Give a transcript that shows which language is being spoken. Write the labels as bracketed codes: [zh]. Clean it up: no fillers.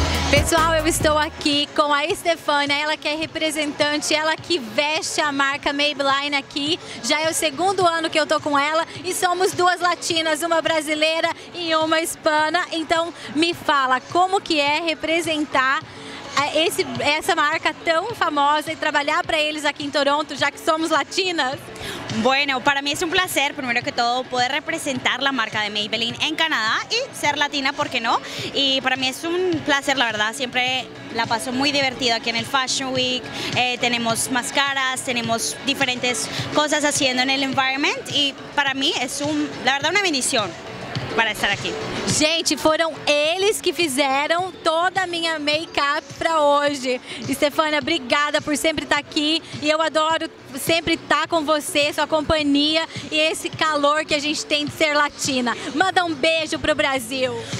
[pt] Pessoal, eu estou aqui com a Stefania, ela que é representante, ela que veste a marca Maybelline aqui. Já é o segundo ano que eu estou com ela e somos duas latinas, uma brasileira e uma hispana. Então, me fala, como que é representar essa marca tão famosa e trabalhar para eles aqui em Toronto, já que somos latinas? [es] Bueno, para mí es un placer, primero que todo, poder representar la marca de Maybelline en Canadá y ser latina, ¿por qué no? Y para mí es un placer, la verdad, siempre la paso muy divertido aquí en el Fashion Week. Tenemos máscaras, tenemos diferentes cosas haciendo en el environment y para mí es, la verdad, una bendición para estar aquí. [pt] Gente, foram eles que fizeram toda a minha make-up para hoje. Stefania, obrigada por sempre estar aqui. E eu adoro sempre estar com você, sua companhia e esse calor que a gente tem de ser latina. Manda beijo pro Brasil.